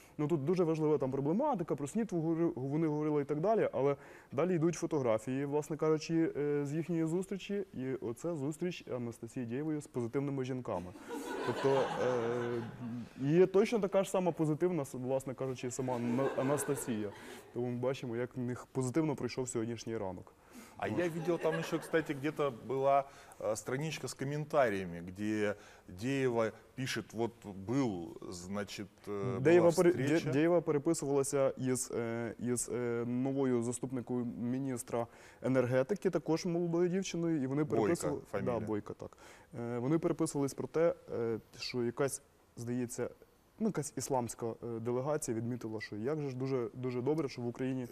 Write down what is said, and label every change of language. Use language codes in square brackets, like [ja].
[uk] Ну, тут дуже важлива там проблематика, про снід вони говорили і так далі, але далі йдуть фотографії, власне кажучи, з їхньої зустрічі. І оце зустріч Анастасії Дієвої з позитивними жінками. Тобто, є точно така ж сама позитивна, власне кажучи, сама Анастасія. Тому ми бачимо, як в них позитивно пройшов сьогоднішній ранок. [ru] А я видел там еще, кстати, где-то была страничка с комментариями, где Дієва пишет, вот был, значит, Дієва встреча. [uk] Дієва переписывалася із новою заступником міністра енергетики, також молодою дівчиною, і вони переписували. [ru] Бойко, фамилия. Да, Бойко, так. [uk] Вони переписувались про те, що якась, здається, ну, якась ісламська делегація відмітила, що як же ж дуже, дуже добре, що в Україні...